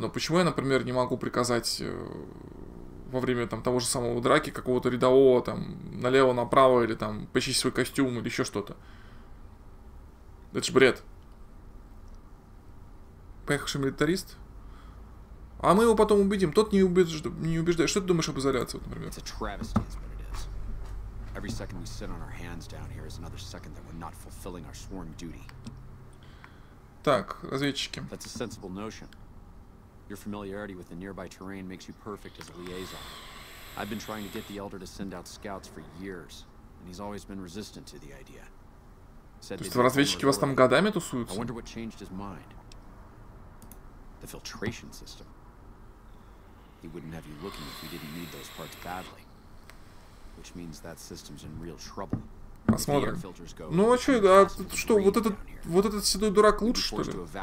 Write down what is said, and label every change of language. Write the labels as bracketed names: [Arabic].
[Russian] Но почему я, например, не могу приказать... во время там того же самого драки какого-то рядового там налево-направо или там почистить свой костюм или еще что-то. Это ж бред. Поехавший милитарист. А мы его потом убедим. Тот не убежит, не убеждает. Что ты думаешь об изоляции, вот, например? [English] It's a travesty, is what it is. Every second we sit on our hands down here is another second that we're not fulfilling our sworn duty. [Russian] Так, разведчики. [English] That's a sensible notion. Your familiarity with the nearby terrain makes you perfect as a liaison. I've been trying to get the Elder to send out scouts for years, and he's always been resistant to the idea. Said they'd be able to relay. I wonder what changed his mind. The filtration system. He wouldn't have you looking if you didn't need those parts badly. Which means that system's in real trouble. [Russian] Посмотрим. Ну а что, а что, вот этот седой дурак лучше, что ли?